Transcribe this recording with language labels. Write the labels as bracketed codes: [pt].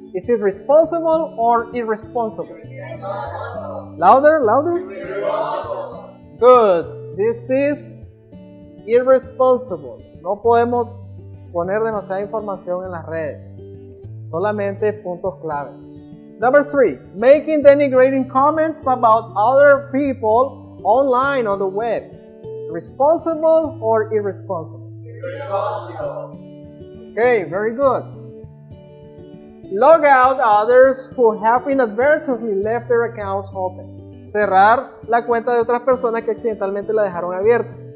[en] Is it responsible or irresponsible? Irresponsible. Louder, louder. Irresponsible. Good. This is irresponsible. [es] No podemos poner demasiada información en las redes. Solamente puntos clave. [en] Number 3. Making denigrating comments about other people online on the web. Responsible or irresponsible? Irresponsible. Okay, very good. Log out others who have inadvertently left their accounts open. [es] Cerrar la cuenta de otras personas que accidentalmente la dejaron abierta.